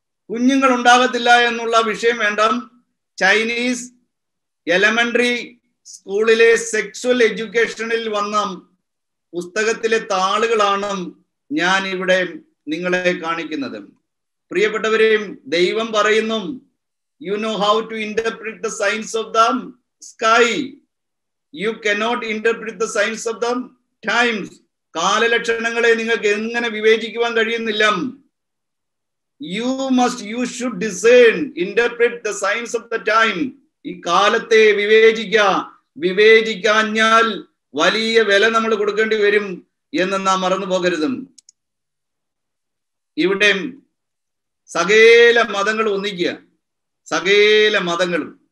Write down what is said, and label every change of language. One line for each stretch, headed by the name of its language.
Malayalam: കുഞ്ഞുങ്ങൾ ഉണ്ടാകത്തില്ല എന്നുള്ള വിഷയം വേണ്ട. ചൈനീസ് എലമെന്ററി സ്കൂളിലെ സെക്സ്വൽ എഡ്യൂക്കേഷനിൽ വന്ന പുസ്തകത്തിലെ താളുകളാണ് ഞാൻ ഇവിടെ നിങ്ങളെ കാണിക്കുന്നത്. പ്രിയപ്പെട്ടവരെ, ദൈവം പറയുന്നു,
English: You know how to interpret the signs of the sky, you cannot interpret the signs of the times.
Malayalam: കാലലക്ഷണങ്ങളെ നിങ്ങൾക്ക് എങ്ങനെ വിവേചിക്കുവാൻ കഴിയുന്നില്ല.
English: You should discern, interpret the signs of the time.
Malayalam: ഈ കാലത്തെ വിവേചിക്കാഞ്ഞാൽ വലിയ വില നമ്മൾ കൊടുക്കേണ്ടി വരും എന്ന് നാം മറന്നു പോകരുതും. ഇവിടെ സകല മതങ്ങളും ഒന്നിക്കുക, സകല മതങ്ങളും.